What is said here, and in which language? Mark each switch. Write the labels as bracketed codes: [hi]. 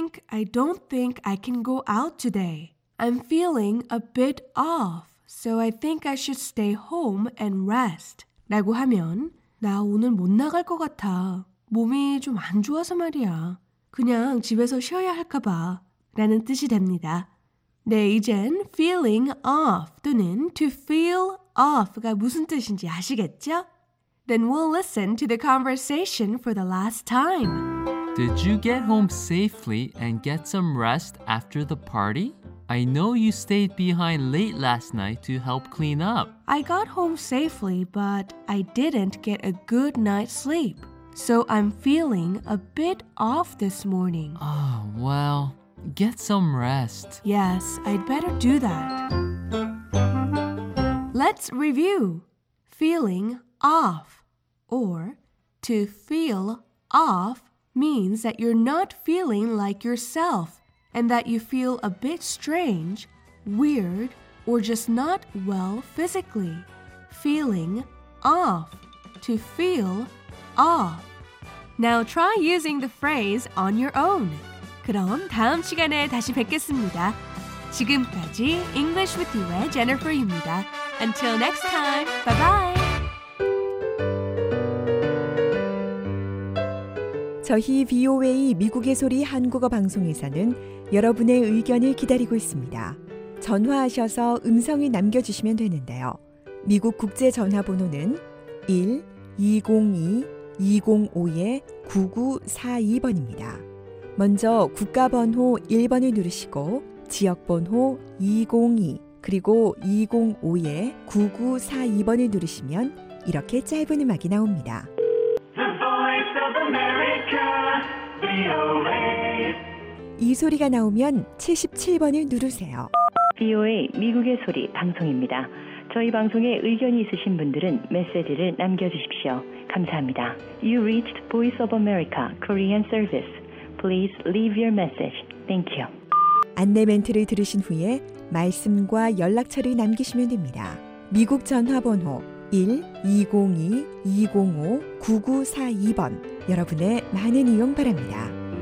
[en] I don't think I can go out today. I'm feeling a bit off, so I think I should stay home and rest. [ko] 라고 하면 나 오늘 못 나갈 것 같아. 몸이 좀 안 좋아서 말이야. 그냥 집에서 쉬어야 할까 봐. 라는 뜻이 됩니다. 네, 이젠 [en] feeling off [ko] 또는 [en] to feel off [ko] 가 무슨 뜻인지 아시겠죠? [en] Then we'll listen to the conversation for the last time. Did you get home safely and get some rest after the party? I know you stayed behind late last night to help clean up. I got home safely, but I didn't get a good night's sleep. So I'm feeling a bit off this morning. Oh, well, get some rest. Yes, I'd better do that. Let's review. Feeling off, or to feel off, means that you're not feeling like yourself and that you feel a bit strange, weird, or just not well physically. Feeling off, to feel off. Now try using the phrase on your own. [ko] 그럼 다음 시간에 다시 뵙겠습니다. 지금까지 English with You의 Jennifer입니다. [en] Until next time, bye-bye! [ko] 저희 VOA 미국의 소리 한국어 방송에서는 여러분의 의견을 기다리고 있습니다. 전화하셔서 음성을 남겨주시면 되는데요. 미국 국제 전화번호는 1-202-205-9942번입니다. 먼저 국가 번호 1번을 누르시고 지역 번호 202 그리고 205-9942번을 누르시면 이렇게 짧은 음악이 나옵니다. [en] The Voice of America, VOA. [ko] 이 소리가 나오면 77번을 누르세요. VOA 미국의 소리 방송입니다. 저희 방송에 의견이 있으신 분들은 메시지를 남겨주십시오. 감사합니다. [en] You reached Voice of America Korean Service. Please leave your message. Thank you. [ko] 안내 멘트를 들으신 후에 말씀과 연락처를 남기시면 됩니다. 미국 전화번호 1-202-205-9942번 여러분의 많은 이용 바랍니다.